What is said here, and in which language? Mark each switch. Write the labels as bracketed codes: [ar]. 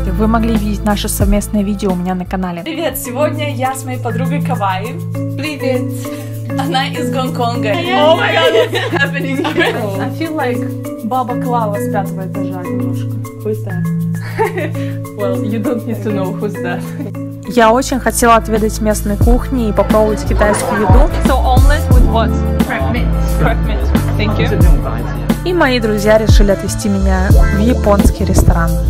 [ru] Вы могли видеть наше совместное видео у меня на канале. Привет! Сегодня я с моей подругой Кавай. Привет! Она из Гонконга. [en] Oh my god, what's happening here? I feel like [ru] Баба Клава с пятого этажа немножко. [en] Who's that? Well, you don't need to know who's that. [ru] Я очень хотела отведать местной кухни и попробовать китайскую еду. [en] So omelet with what? Crab meat. Thank you. [ru] И мои друзья решили отвезти меня в японский ресторан.